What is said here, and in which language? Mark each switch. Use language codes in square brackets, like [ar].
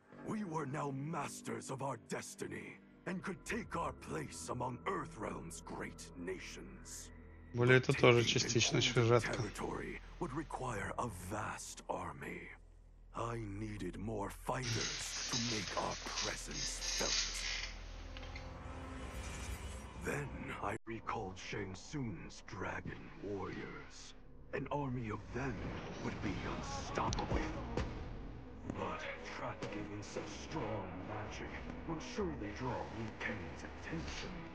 [en] We were now masters of our destiny, and could take our place among Earthrealm's great nations. [ru] Более это тоже частично сюжетка. [en] Territory would require a vast army. I needed more fighters to make our presence felt. Then I recalled Shang Tsung's dragon warriors. An army of them would be unstoppable. But trafficking in such strong magic would surely draw Liu Kang's attention.